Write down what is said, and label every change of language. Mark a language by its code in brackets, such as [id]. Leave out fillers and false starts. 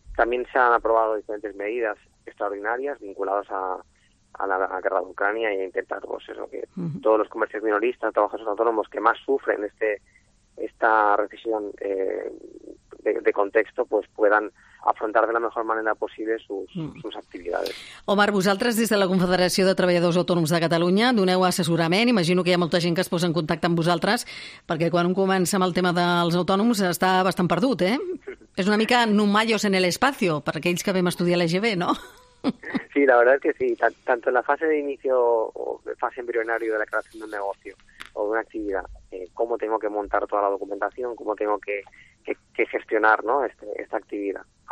[es] También se han aprobado diferentes medidas extraordinarias vinculadas a la guerra de Ucrania y a intentar pues, eso, que todos los comercios minoristas, trabajadores autónomos que más sufren esta recesión de contexto pues puedan afrontar de la mejor manera posible sus actividades. [ca] Omar, vosaltres des de la Confederació de Treballadors Autònoms de Catalunya doneu assessorament. Imagino que hi ha molta gent que es posa en contacte amb vosaltres perquè quan un comença amb el tema dels autònoms està bastant perdut, eh? És una mica numallos [es] en el espacio [ca] per aquells que vam estudiar a l'EGB, no? [es] Sí, la verdad es que sí. Tanto en la fase de inicio o de fase embrionario de la creación de un negocio o de una actividad, cómo tengo que montar toda la documentación, cómo tengo que gestionar, ¿no?, esta actividad.